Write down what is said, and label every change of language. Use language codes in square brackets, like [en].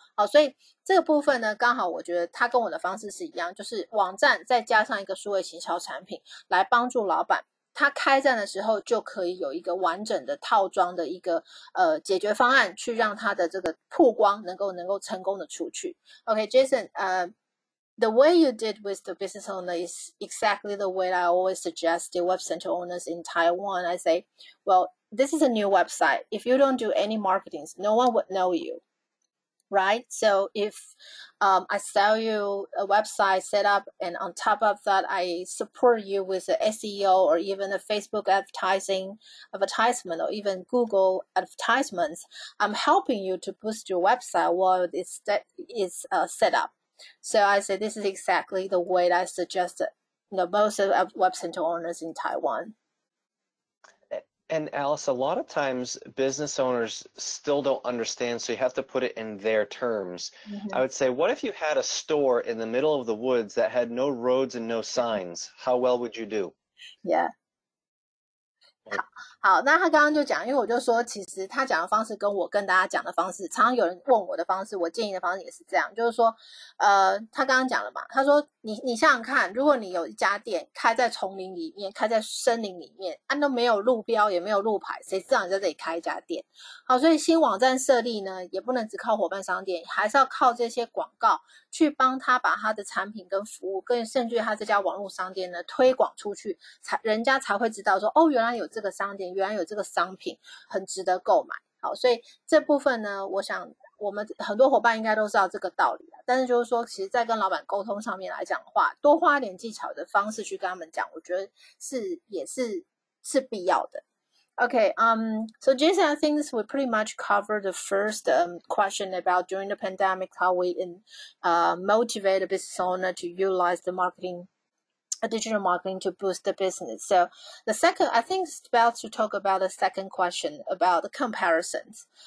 [zh] 好，所以这个部分呢，刚好我觉得他跟我的方式是一样，就是网站再加上一个数位行销产品，来帮助老板他开战的时候就可以有一个完整的套装的一个解决方案，去让他的这个曝光能够成功的出去。 [en] Okay, Jason, the way you did with the business owner is exactly the way I always suggest the web center owners in Taiwan. I say, well, this is a new website. If you don't do any marketing, no one would know you, right? So if I sell you a website set up, and on top of that, I support you with the SEO or even a Facebook advertisement or even Google advertisements, I'm helping you to boost your website while it's set up. So I say this is exactly the way that I suggest, most of web center owners in Taiwan. And Alice, a lot of times business owners still don't understand, so you have to put it in their terms. Mm-hmm. I would say, what if you had a store in the middle of the woods that had no roads and no signs? How well would you do? Yeah. [zh] 好，那他刚刚就讲，因为我就说其实他讲的方式跟我跟大家讲的方式，常常有人问我的方式，我建议的方式也是这样，就是说他刚刚讲了嘛，他说你想想看，如果你有一家店开在丛林里面，开在森林里面，都没有路标也没有路牌，谁知道你在这里开一家店。好，所以新网站设立呢，也不能只靠伙伴商店，还是要靠这些广告去帮他把他的产品跟服务跟甚至他这家网络商店呢推广出去，人家才会知道说，哦，原来有这个商店，原来有这个商品很值得购买。好，所以这部分呢，我想我们很多伙伴应该都知道这个道理，但是就是说其实在跟老板沟通上面来讲的话，多花一点技巧的方式去跟他们讲，我觉得也是必要的。 [en] Okay, so Jason, I think this would pretty much cover the first question about during the pandemic, how we motivate a business owner to utilize the marketing, digital marketing to boost the business. So the second, I think it's about to talk about the second question about the comparisons.